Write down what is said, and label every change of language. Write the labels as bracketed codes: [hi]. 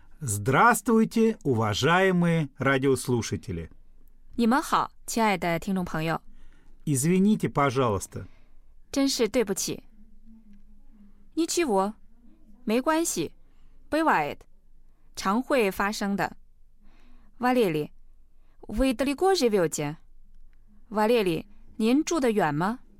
[ru] Здравствуйте, уважаемые радиослушатели. [zh] 你们好,亲爱的听众朋友。 [ru] Извините, пожалуйста. [zh] 真是对不起。 [ru] Ничего, [zh] 没关系, [ru] бывает, [zh] 常会发生的。 [ru] Валерий, вы далеко живете? [zh] Валерий, 您住得远吗?